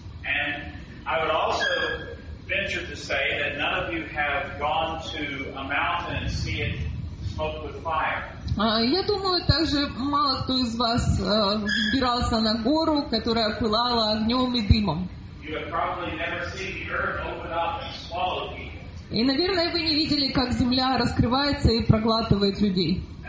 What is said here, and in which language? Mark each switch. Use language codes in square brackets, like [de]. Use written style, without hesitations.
[en] And I would also venture to say that none of you have gone to a mountain and see it smoke with fire. [ru] Я думаю, также мало кто из вас взбирался на гору, которая пылала огнем и дымом. [en] You have probably never seen the earth open up and swallow people. [ru] И, наверное, вы не видели, как земля раскрывается и проглатывает людей.